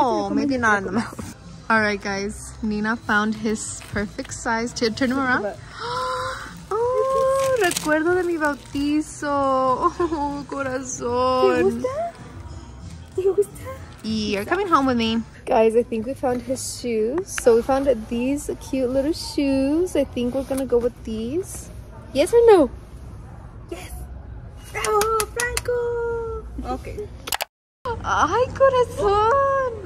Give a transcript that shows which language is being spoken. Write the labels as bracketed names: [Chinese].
[English] Maybe not in the mouth. All right, guys. Nina found his perfect size. Turn him around. [Spanish] Oh, recuerdo de mi bautizo. Oh, corazón. ¿Te gusta? [English] You're coming home with me. Guys, I think we found his shoes. So we found these cute little shoes. I think we're gonna go with these. Yes or no? Yes. Bravo, Franco. Okay. [Spanish] Ay, corazón.